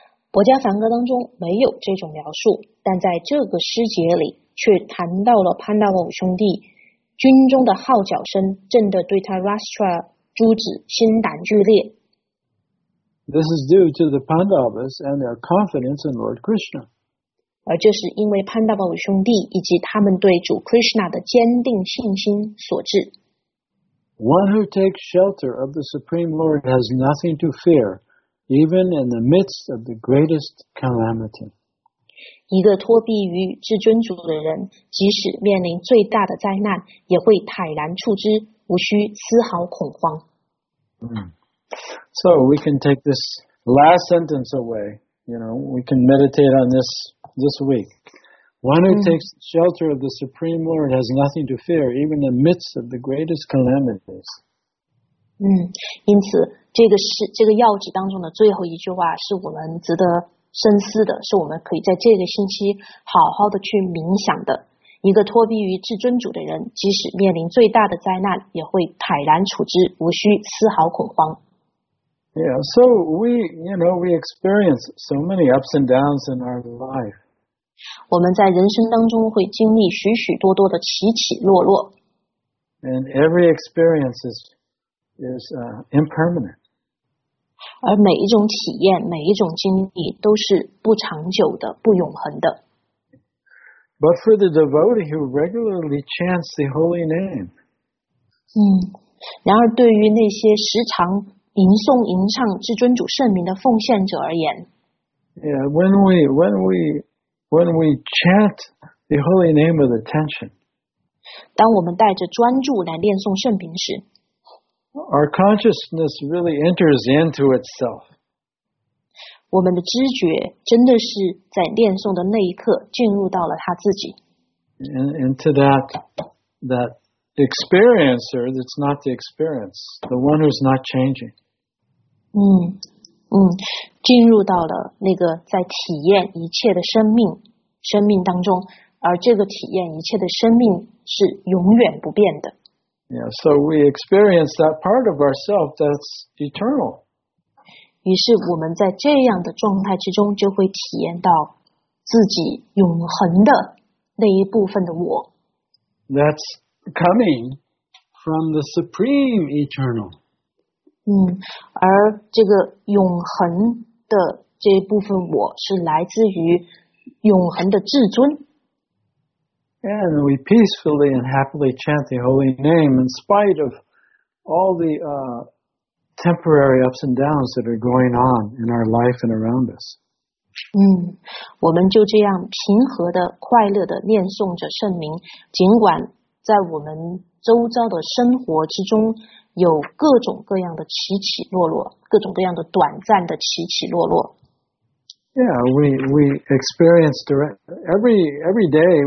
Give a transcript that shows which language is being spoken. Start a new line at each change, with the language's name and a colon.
Chinese: 博迦梵歌当中没有这种描述，但在这个诗节里却谈到了潘达瓦五兄弟军中的号角声震得 Dhritarashtra 诸子心胆俱裂。
English: This is due to the Pandavas and their confidence in Lord Krishna.
Chinese: 而这是因为潘达巴兄弟以及他们对主 Krishna 的坚定信心所致。
English: One who takes shelter of the Supreme Lord has nothing to fear, even in the midst of the greatest calamity.
Chinese: 一个托庇于至尊主的人，即使面临最大的灾难，也会坦然处之，无需丝毫恐慌。
English: So we can take this last sentence away. You know, we can meditate on this this week. One who takes shelter of the Supreme Lord has nothing to fear, even in the midst of the greatest calamities.
Chinese: 因此这个要旨当中的最后一句话是我们值得深思的，是我们可以在这个星期好好的去冥想的。一个托庇于至尊主的人，即使面临最大的灾难，也会坦然处之，无需丝毫恐慌。
English: Yeah, so we experience so many ups and downs in our life.
Chinese: 我们在人生当中会经历许许多多的起起落落。
English: And every experience is impermanent.
Chinese: 而每一种体验，每一种经历都是不长久的，不永恒的。
English: But for the devotee who regularly chants the holy name.
Chinese: 然而对于那些时常吟诵吟唱至尊主圣名的奉献者而言。
English: Yeah, when we chant the holy name with attention.
Chinese: 当我们带着专注来念诵圣名时。
English: Our consciousness really enters into itself.
Chinese: 我们的知觉真的是在念诵的那一刻进入到了他自己。
English: Into that experiencer that's not the experience, the one who's not changing.
Chinese: 进入到了那个在体验一切的生命当中，而这个体验一切的生命是永远不变的。
English: Yeah, so we experience that part of ourselves that's eternal.
Chinese: 于是我们在这样的状态之中，就会体验到自己永恒的那一部分的我。
English: That's coming from the supreme eternal.
Chinese: 而这个永恒的这部分我是来自于永恒的至尊。
English: And we peacefully and happily chant the holy name in spite of all the temporary ups and downs that are going on in our life and around us.
Chinese: 我们就这样平和的、快乐的念诵着圣名，尽管在我们周遭的生活之中有各种各样的起起落落，各种各样的短暂的起起落落。
English: Yeah, we experience direct every day.